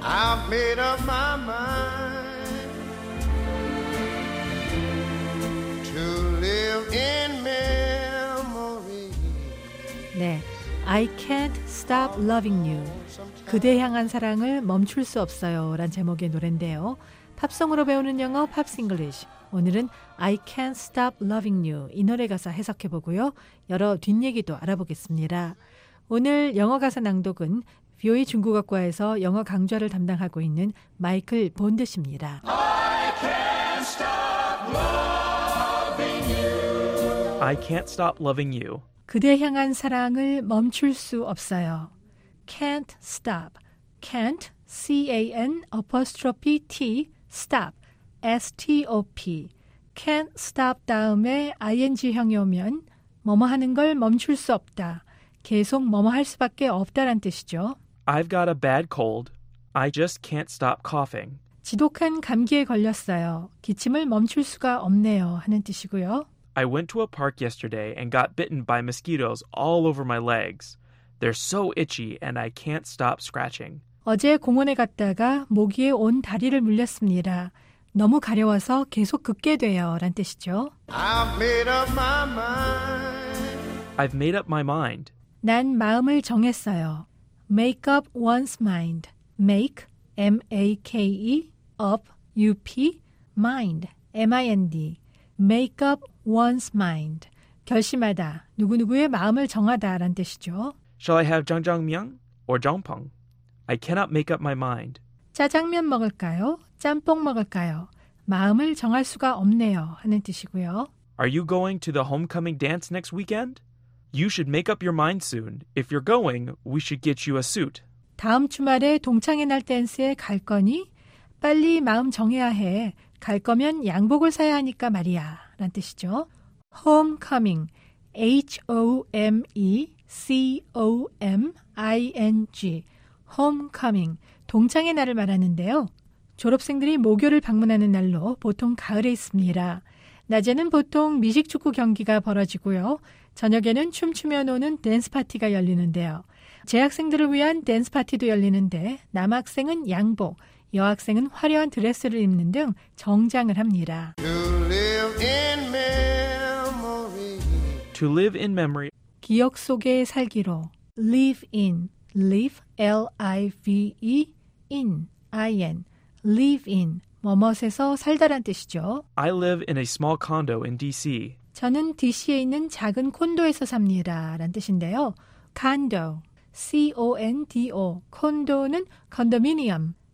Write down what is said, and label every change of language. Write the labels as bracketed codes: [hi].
[en] I've made up my mind to live in memory. 네, I can't stop loving you. [ko] 그대 향한 사랑을 멈출 수 없어요 라는 제목의 노래인데요. 팝송으로 배우는 영어 팝스 잉글리시 오늘은 [en] I Can't Stop Loving You [ko] 이 노래 가사 해석해보고요. 여러 뒷얘기도 알아보겠습니다. 오늘 영어 가사 낭독은 VOA 중국어과에서 영어 강좌를 담당하고 있는 마이클 본드 씨입니다. [en] I can't stop loving you. I can't stop loving you. [ko] 그대 향한 사랑을 멈출 수 없어요. [en] Can't stop. Can't, C-A-N, apostrophe T, stop. S-T-O-P, can't stop [ko] 다음에 ing형이 오면 뭐뭐 하는 걸 멈출 수 없다. 계속 뭐뭐 할 수밖에 없다란 뜻이죠. [en] I've got a bad cold. I just can't stop coughing. [ko] 지독한 감기에 걸렸어요. 기침을 멈출 수가 없네요 하는 뜻이고요. [en] I went to a park yesterday and got bitten by mosquitoes all over my legs. They're so itchy and I can't stop scratching. [ko] 어제 공원에 갔다가 모기에 온 다리를 물렸습니다. 너무 가려워서 계속 긁게 돼요 란 뜻이죠. [en] I've made up my mind. I've made up my mind. [ko] 난 마음을 정했어요. [en] Make up one's mind. Make, M-A-K-E, up, U-P, mind, M-I-N-D. Make up one's mind. [ko] 결심하다, 누구누구의 마음을 정하다 란 뜻이죠. [en] Shall I have jjajangmyeon or jjampong? I cannot make up my mind. [ko] 짜장면 먹을까요? 짬뽕 먹을까요? 마음을 정할 수가 없네요 하는 뜻이고요. [en] Are you going to the homecoming dance next weekend? You should make up your mind soon. If you're going, we should get you a suit. [ko] 다음 주말에 동창회 날 댄스에 갈 거니? 빨리 마음 정해야 해. 갈 거면 양복을 사야 하니까 말이야. 라는 뜻이죠. [en] Homecoming. H-O-M-E-C-O-M-I-N-G. Homecoming. [ko] 동창회 날을 말하는데요. 졸업생들이 모교를 방문하는 날로 보통 가을에 있습니다. 낮에는 보통 미식축구 경기가 벌어지고요. 저녁에는 춤추며 노는 댄스 파티가 열리는데요. 재학생들을 위한 댄스 파티도 열리는데 남학생은 양복, 여학생은 화려한 드레스를 입는 등 정장을 합니다. [en] To live in memory. To live in memory. [ko] 기억 속에 살기로. [en] Live in. Live. L-I-V-E. In. I-N. Live in. [ko] 머뭇에서 살다란 뜻이죠. [en] I live in a small condo in D.C. [ko] 저는 D.C.에 있는 작은 콘도에서 삽니다. 라는 뜻인데요. [en] Condo. C-O-N-D-O. [ko] 콘도는 condominium.